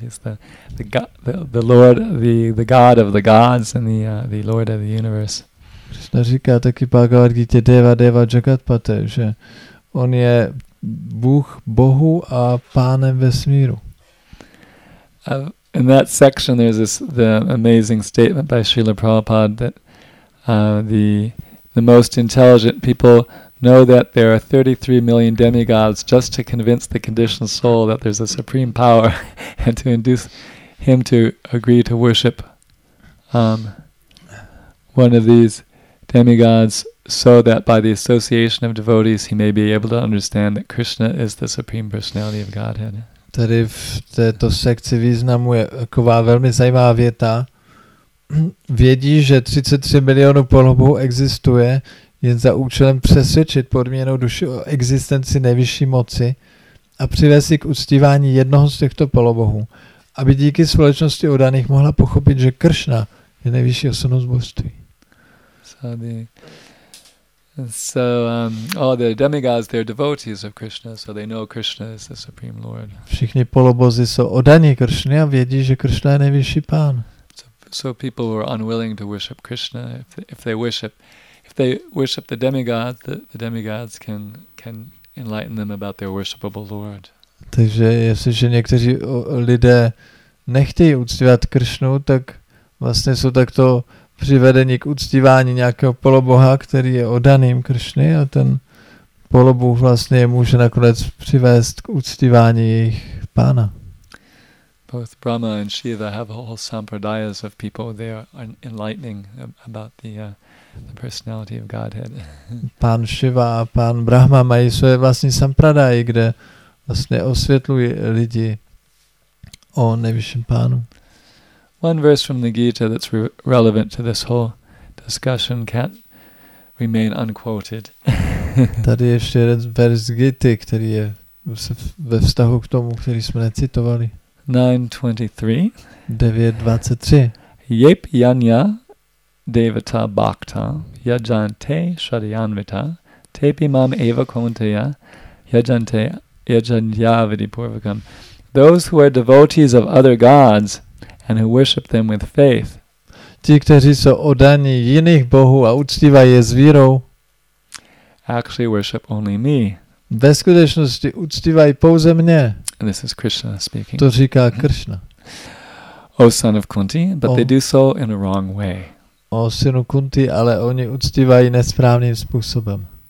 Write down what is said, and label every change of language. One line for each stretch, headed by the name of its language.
English: He's the Lord, the God of the gods and the Lord of the universe.
Czech: Krishna říká taky Bhagavad Gita
Sanskrit: Deva Deva Jagatpate,
Czech: že on je Bůh Bohu a pánem vesmíru.
English: In that section there's the amazing statement by Srila Prabhupada that the most intelligent people know that there are 33 million demigods just to convince the conditioned soul that there's a supreme power and to induce him to agree to worship one of these demigods so that by the association of devotees he may be able to understand that Krishna is the supreme personality of Godhead.
Czech: Tady v této sekci významu je taková velmi zajímavá věta. Vědí, že 33 milionů polobohů existuje jen za účelem přesvědčit podmíněnou duši o existenci nejvyšší moci a přivést ji k uctívání jednoho z těchto polobohů, aby díky společnosti udaných mohla pochopit, že Kršna je nejvyšší osobnost božství. Sady.
English: So all the demigods, they're devotees of Krishna, so they know Krishna is the supreme lord.
Czech: Všichni polobozy jsou oddaní Kršně a vědí, že Kršna je nejvyšší pán.
English: So people who are unwilling to worship Krishna, if they worship the demigod, the demigods can enlighten them about their worshipable lord.
Czech: Takže jestliže někteří lidé nechtějí uctívat Kršnu, tak vlastně jsou takto přivedení k uctívání nějakého poloboha, který je oddaným Kršny a ten polobůh vlastně může nakonec přivést k uctívání jejich pána.
English: Both Brahma and Shiva have whole sampradayas of people they are enlightening about the personality of Godhead.
Czech: Pán Shiva a pán Brahma mají své vlastní sampradaje, kde vlastně osvětlují lidi o nejvyšším pánu.
English: One verse from the Gita that's relevant to this whole discussion can't remain unquoted.
Czech: Tady je ještě jeden verš z Gity, který je ve vztahu k tomu, který jsme necitovali.
Sanskrit: 9.23 Yep yanya devata bhakta yajante shadyanvita tepi mam eva kuntaya yajante yajanyavidipurvakam.
English: Those who are devotees of other gods and who worship them with faith.
Czech: Ti, kteří jsou oddaní jiných bohů a uctívají je s vírou,
English: actually worship only me.
Czech: Ve skutečnosti uctívají pouze mě.
English: And this is Krishna speaking.
Czech: To říká Krishna.
English: O son of Kunti, but they do so in a wrong way.
Czech: O synu Kunti, ale oni uctívají nesprávným způsobem.